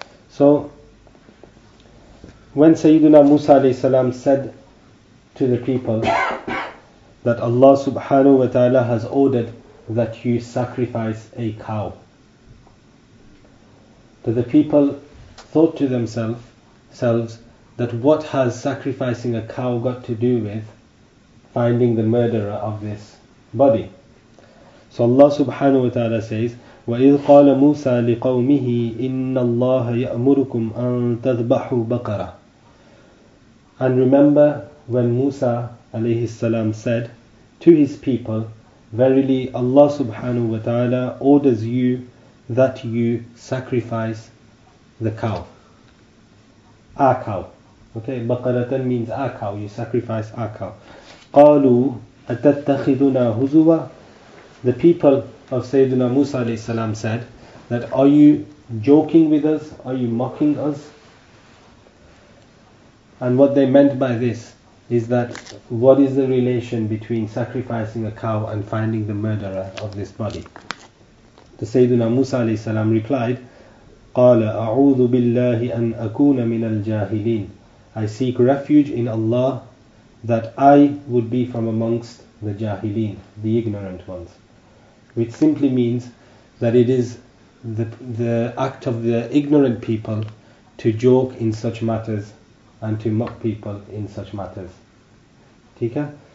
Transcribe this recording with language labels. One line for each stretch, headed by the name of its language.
English: So, when Sayyiduna Musa alayhi salam said to the people that Allah subhanahu wa ta'ala has ordered that you sacrifice a cow, that the people thought to themselves that what has sacrificing a cow got to do with finding the murderer of this body? So Allah subhanahu wa ta'ala says,
Arabic: وَإِذْ قَالَ مُوسَى لِقَوْمِهِ إِنَّ اللَّهَ يَأْمُرُكُمْ أَن تَذْبَحُوا بَقَرَةً.
English: And remember when Musa alayhi salam said to his people, verily Allah subhanahu wa ta'ala orders you that you sacrifice the cow. A cow. Okay, baqaratan means a cow, you sacrifice a cow.
Arabic: Qalu atattakhiduna huzwa.
English: The people of Sayyiduna Musa alayhi salam said that, are you joking with us? Are you mocking us? And what they meant by this is that, what is the relation between sacrificing a cow and finding the murderer of this body? The Sayyiduna Musa alayhi salam replied,
Arabic: قَالَ أَعُوذُ بِاللَّهِ أَنْ أَكُونَ مِنَ الْجَاهِلِينَ.
English: I seek refuge in Allah that I would be from amongst the jahileen, the ignorant ones. Which simply means that it is the act of the ignorant people to joke in such matters and to mock people in such matters. Tika?